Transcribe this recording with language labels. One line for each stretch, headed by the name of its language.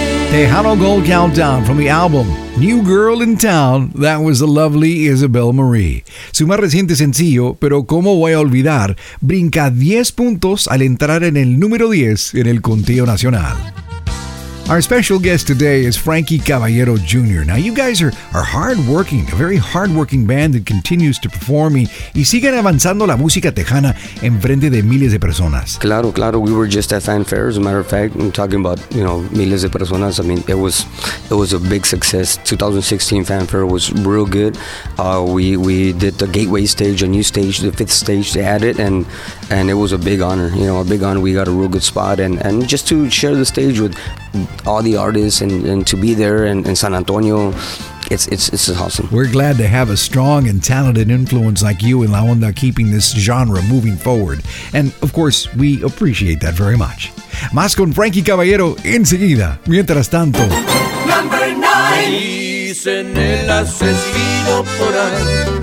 English: Tejano Gold Countdown from the album New Girl in Town, that was the lovely Isabel Marie.
Spanish: Su más reciente sencillo, Pero Cómo Voy a Olvidar, brinca 10 puntos al entrar en el número 10 en el conteo nacional.
English: Our special guest today is Frankie Caballero Jr. Now, you guys are hardworking, a very hardworking band that continues to perform
Spanish: y siguen avanzando la música tejana en frente de miles de personas. Claro, claro.
English: We were just at Fan Fair. As a matter of fact, I'm talking about, you know,
Spanish: miles de personas.
English: I mean, it was a big success. 2016 Fan Fair was real good. We did the gateway stage, a new stage, the fifth stage. They added, and it was a big honor. You know, a big honor. We got a real good spot, and just to share the stage with all the artists and to be there in San Antonio, it's awesome. We're glad to have a strong and talented influence like you in La Onda keeping this genre moving forward. And of course, we appreciate that very much.
Spanish: Más con Frankie Caballero enseguida. Mientras tanto.
English: Number 9.
Spanish: Dicen el asesino por ahí.